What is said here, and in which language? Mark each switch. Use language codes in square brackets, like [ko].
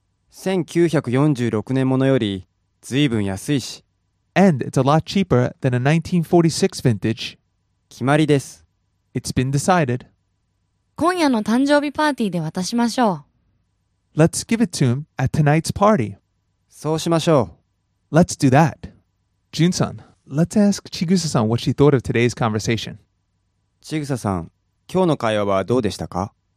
[ja] 1946年ものより随分安いし。 [en] And it's a lot cheaper than a 1946 vintage. [ja] 決まりです。 [en] It's been decided. [ja] 今夜の誕生日パーティーで渡しましょう。 [en] Let's give it to him at tonight's party. [ja] そうしましょう。 [en] Let's do that. Jun-san, let's ask Chigusa-san what she thought of today's conversation. [ja] Chigusa-san, 今日の会話はどうでしたか？